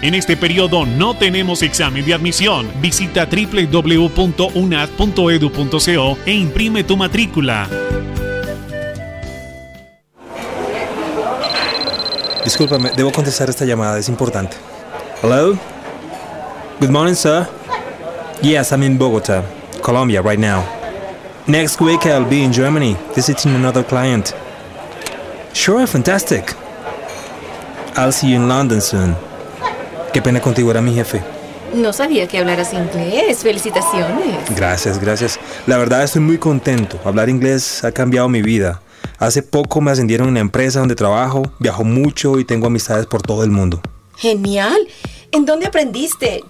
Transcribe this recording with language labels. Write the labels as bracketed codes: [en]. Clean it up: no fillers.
[es] En este periodo no tenemos examen de admisión. Visita www.unad.edu.co e imprime tu matrícula. Discúlpame, debo contestar esta llamada, es importante. [en] Hello? Good morning, sir. Yes, I'm in Bogotá, Colombia, right now. Next week I'll be in Germany, visiting another client. Sure, fantastic. I'll see you in London soon. [es] Qué pena contigo, era mi jefe. No sabía que hablaras inglés. Felicitaciones. Gracias, gracias. La verdad, estoy muy contento. Hablar inglés ha cambiado mi vida. Hace poco me ascendieron en la empresa donde trabajo. Viajo mucho y tengo amistades por todo el mundo. Genial. ¿En dónde aprendiste?